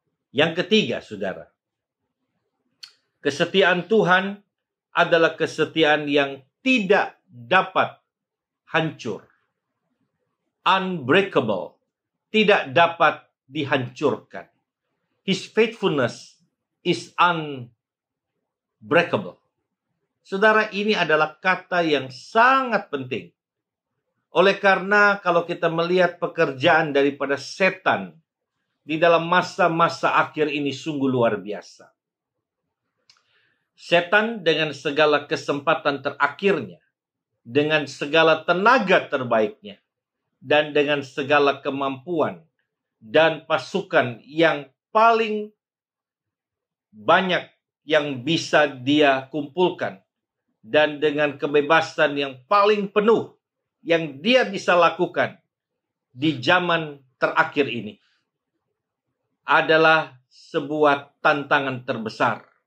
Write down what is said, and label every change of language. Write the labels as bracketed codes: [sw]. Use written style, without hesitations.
[id] Yang ketiga, saudara, kesetiaan Tuhan adalah kesetiaan yang tidak dapat hancur. Unbreakable, tidak dapat dihancurkan. [en] His faithfulness is unbreakable. [id] Saudara, ini adalah kata yang sangat penting. Oleh karena kalau kita melihat pekerjaan daripada setan di dalam masa-masa akhir ini sungguh luar biasa. Setan dengan segala kesempatan terakhirnya, dengan segala tenaga terbaiknya, dan dengan segala kemampuan dan pasukan yang paling banyak yang bisa dia kumpulkan, dan dengan kebebasan yang paling penuh yang dia bisa lakukan di zaman terakhir ini, adalah sebuah tantangan terbesar.